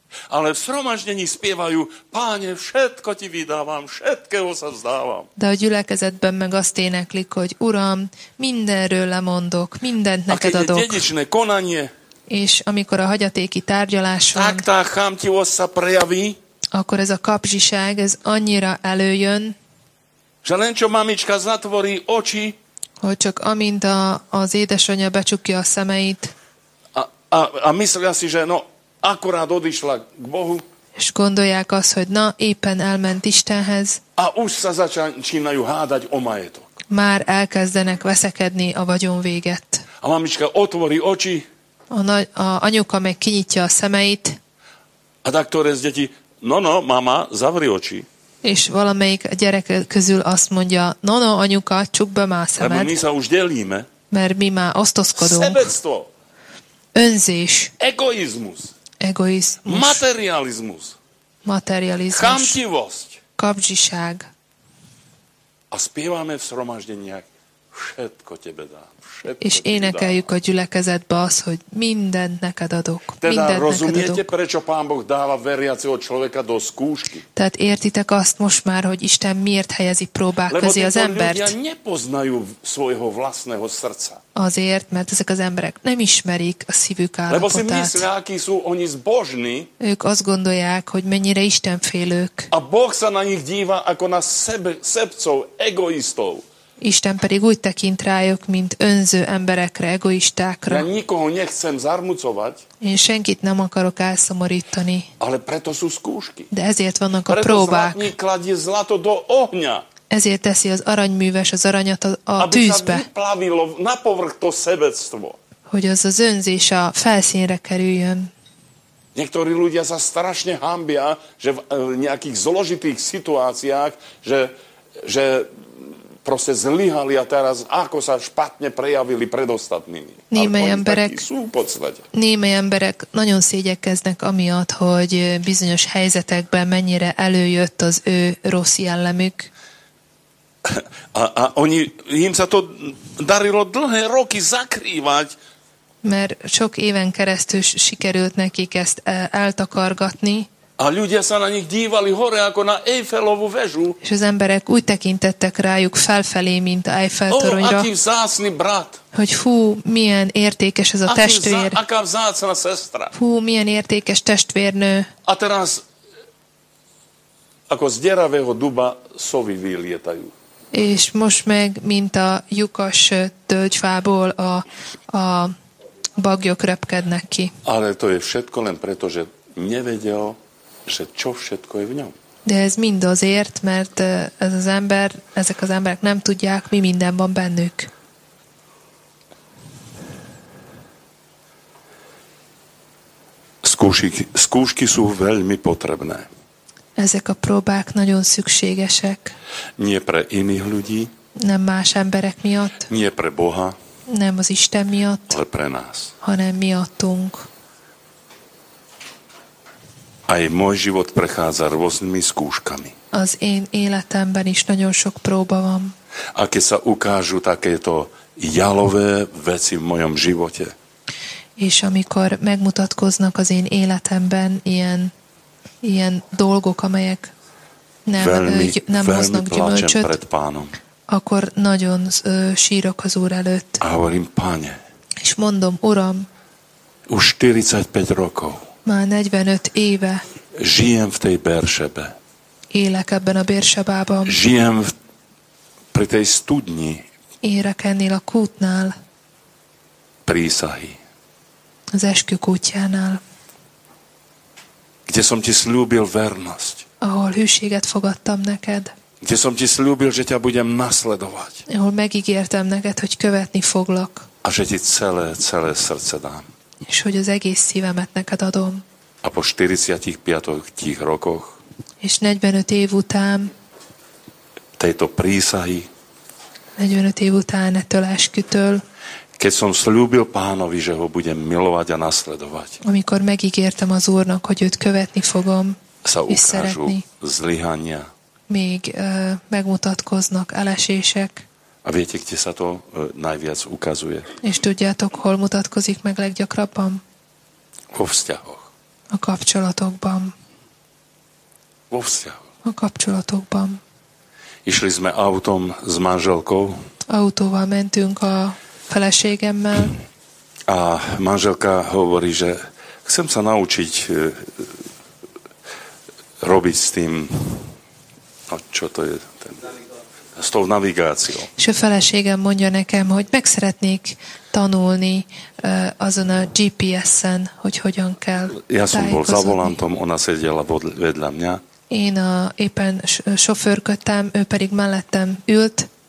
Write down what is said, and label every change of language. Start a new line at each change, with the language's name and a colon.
Slovak: Ale v zhromaždení spievajú: Páne, všetko ti vydávam, všetkého sa vzdávam.
Hungarian: De a gyülekezetben meg azt éneklik, hogy Uram, mindenről lemondok, mindent neked adok.
Slovak: Aké je dedičné konanie.
Hungarian: És amikor a hagyatéki tárgyalás van,
Slovak: tak tá chamtivosť sa prejaví,
Hungarian: akkor ez a kapzsiság, ez annyira előjön,
Slovak: že len čo mamička zatvorí oči,
Hungarian: hogy csak amint az édesanyja becsukja a szemeit,
Slovak: A myslia si, že no, akurát odišla k Bohu.
Hungarian: És gondolják azt, hogy na, éppen elment Istenhez.
Slovak: A už sa začínajú hádať o majetok.
Hungarian: Már elkezdenek veszekedni a vagyon véget.
Slovak: A mamička otvorí oči.
Hungarian: A anyuka meg kinyitja a szemeit.
Slovak: A doktor ez deti, no, mama, zavri oči.
Hungarian: És valamelyik gyerek közül azt mondja, no, anyuka, csuk be má szemed.
Slovak: Mert mi sa už delíme.
Hungarian: Mert mi má osztozkodunk.
Slovak: Sebectvo.
Hungarian: Önzés.
Slovak: Egoizmus. Materializmus. Chamtivosť.
Hungarian: Kapzsiság.
Slovak: A spievame v zhromaždeniach, všetko tebe dá.
Hungarian: És énekeljük a gyülekezetbe azt, hogy mindent neked adok.
Slovak: Teda rozumiete, prečo Pán Boh dáva veriaceho človeka do skúšky?
Hungarian: Tehát értitek azt most már, hogy Isten miért helyezi próbák közé az embert?
Slovak: Lebo títo ľudia nepoznajú svojho vlastného srdca.
Hungarian: Azért, mert ezek az emberek nem ismerik a szívük állapotát.
Slovak: Lebo si myslia, akí sú oni zbožní.
Hungarian: Ők azt gondolják, hogy mennyire istenfélők.
Slovak: A Boh sa na nich díva ako na szepcov, egoistov.
Hungarian: Isten pedig úgy tekint rájuk, mint önző emberekre, egoistákra.
Slovak: Ja nikoho nechcem zarmucovať.
Hungarian: Én senkit nem akarok elszomorítani.
Slovak: Ale preto sú skúšky.
Hungarian: De ezért vannak a próbák.
Slovak: Preto zlatník kladie zlato do ohňa.
Hungarian: Ezért teszi az aranyműves az aranyat a tűzbe.
Slovak: Aby sa vyplavilo na povrch to sebectvo.
Hungarian: Hogy az az önzés a felszínre kerüljön.
Slovak: Niektorí ľudia sa strašne hambia, že v nejakých zložitých situáciách, že proste zlyhali a teraz ako sa špatne prejavili pred ostatnými.
Hungarian: Némely emberek, nagyon szégyekeznek amiatt, hogy bizonyos helyzetekben mennyire előjött az ő rossz jellemük.
Slovak: A oni, im sa to darilo dlhé roky zakrývať.
Hungarian: Mert sok éven keresztül sikerült nekik ezt eltakargatni.
Slovak: A ľudia sa na nich dívali hore ako na Eiffelovú väžu.
Hungarian: És az emberek úgy tekintettek rájuk felfelé, mint Eiffel-toronyra.
Slovak: Aký vzácny brat.
Hungarian: Hogy fú, milyen értékes ez a testvér.
Slovak: Aká vzácna sestra.
Hungarian: Fú, milyen értékes testvérnő.
Slovak: A teraz, ako z deravého duba sovy vylietajú.
Hungarian: És most meg, mint a lyukas tölgyfából a baglyok röpkednek ki.
Slovak: Ale to je všetko len preto, že nevedel, že čo všetko je v ňom.
Hungarian: De ez mind azért, mert ez az ember, ezek az emberek nem tudják, mi minden van bennük.
Slovak: Skúšky sú veľmi potrebné.
Hungarian: Ezek a próbák nagyon szükségesek.
Slovak: Nie pre iných ľudí.
Hungarian: Nem más emberek miatt.
Slovak: Nie pre Boha.
Hungarian: Nem az Isten miatt.
Slovak: Ale pre nás.
Hungarian: Hanem miattunk.
Slovak: Aj môj život prechádza rôznymi skúškami.
Hungarian: Az én életemben is nagyon sok próba van.
Slovak: A keď sa ukážu takéto jalové veci v mojom živote.
Hungarian: És amikor megmutatkoznak az én életemben ilyen dolgok, amelyek nem hoznak gyümölcsöt, akkor nagyon sírok az Úr előtt.
Slovak: A hovorím, Pane,
Hungarian: és mondom, Uram,
Slovak: už 45 rokov
Hungarian: már 45 éve
Slovak: žijem v tej Beršebe.
Hungarian: Élek ebben a Beršebában.
Slovak: Žijem pri tej studni.
Hungarian: Érek ennél a kútnál.
Slovak: Prísahy.
Hungarian: Az eskü kútjánál.
Slovak: Kde som ti slúbil vernosť.
Hungarian: Ahol hűséget fogadtam neked.
Slovak: Kde som ti slúbil, že ťa budem nasledovať.
Hungarian: Ahol megígértem neked, hogy követni foglak.
Slovak: A že ti celé srdce dám.
Hungarian: És hogy az egész szívemet neked adom.
Slovak: A po 45 rokoch.
Hungarian: És 45 év után.
Slovak: Tejto prísahy.
Hungarian: 45 év után ettől eskütől.
Slovak: Keď som slúbil Pánovi, že ho budem milovať a nasledovať.
Hungarian: Amikor megígértem az Úrnak, hogy őt követni fogom.
Slovak: Sa ukážu zlyhania.
Hungarian: Még megmutatkoznak elesések.
Slovak: A viete, kde sa to najviac ukazuje?
Hungarian: És tudjátok, hol mutatkozik meg leggyakrabban?
Slovak: Vo vzťahoch.
Hungarian: A kapcsolatokban.
Slovak: Vo vzťahoch.
Hungarian: A kapcsolatokban.
Slovak: Išli sme autom s manželkou.
Hungarian: Autóval mentünk a feleségemmel.
Slovak: A manželka hovorí, že chcem sa naučiť robiť s tým, no čo to je, ten... S tou navigáciou.
Hungarian: És a feleségem mondja nekem, hogy meg szeretnék tanulni azon a GPS-en, hogy hogyan kell tájékozódni.
Slovak: Ja som bol za volantom, ona sedela vedľa mňa.
Hungarian: Én éppen sofőrködtem, ő pedig mellettem ült.